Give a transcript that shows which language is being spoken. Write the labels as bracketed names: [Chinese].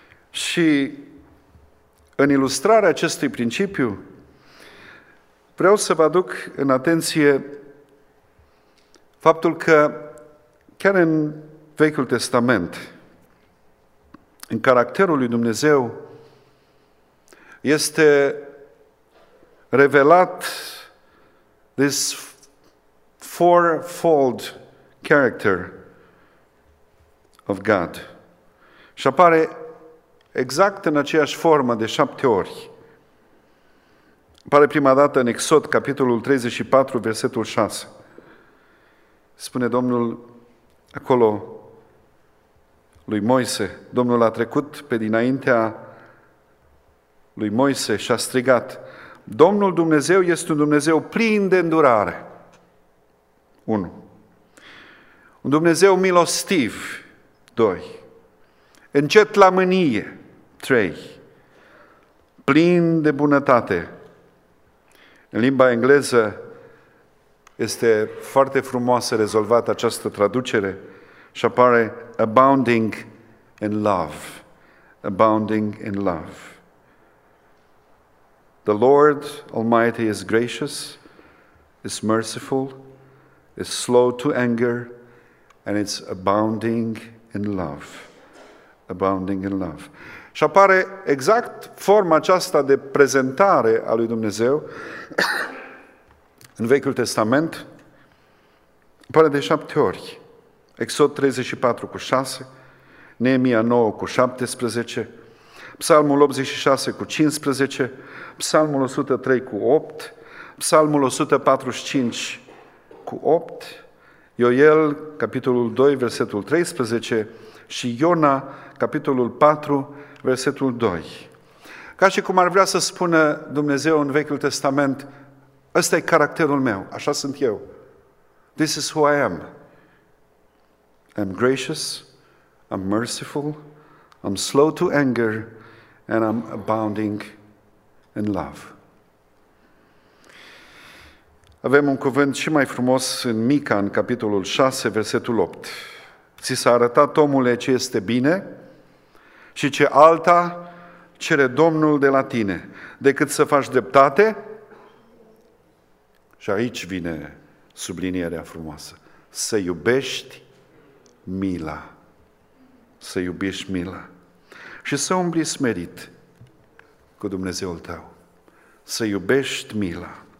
[Romanian] Și în ilustrarea acestui principiu, vreau să vă aduc în atenție faptul că chiar în Vechiul Testament, în caracterul lui Dumnezeu, este revelat [English] this fourfold character of God. [Romanian] Și apare exact în aceeași formă de 7 ori. Apare prima dată în Exod, capitolul 34, versetul 6. Spune Domnul acolo lui Moise, Domnul a trecut pe dinaintea lui Moise și a strigat: Domnul Dumnezeu este un Dumnezeu plin de îndurare. 1. Un Dumnezeu milostiv. 2. Încet la mânie. 3. Plin de bunătate. În limba engleză este foarte frumoasă rezolvată această traducere și apare [English] abounding in love. Abounding in love. The Lord Almighty is gracious, is merciful, is slow to anger, and it's abounding in love. Abounding in love. [Romanian] Și apare exact forma aceasta de prezentare a lui Dumnezeu în Vechiul Testament. Apare de 7 ori. Exod 34 cu 6, Neemia 9 cu 17, Psalmul 86 cu 15, Psalmul 103 cu 8, Psalmul 145 cu 8, Ioel, capitolul 2, versetul 13 și Iona, capitolul 4, versetul 2. Ca și cum ar vrea să spună Dumnezeu în Vechiul Testament: ăsta e caracterul meu, așa sunt eu. [English] This is who I am. I'm gracious, I'm merciful, I'm slow to anger, and I'm abounding in love. [Romanian] Avem un cuvânt și mai frumos în Mica, în capitolul 6, versetul 8. Ți s-a arătat, omule, ce este bine și ce alta cere Domnul de la tine, decât să faci dreptate, și aici vine sublinierea frumoasă, să iubești mila, să iubești mila și să umbli smerit cu Dumnezeul tău, să iubești mila.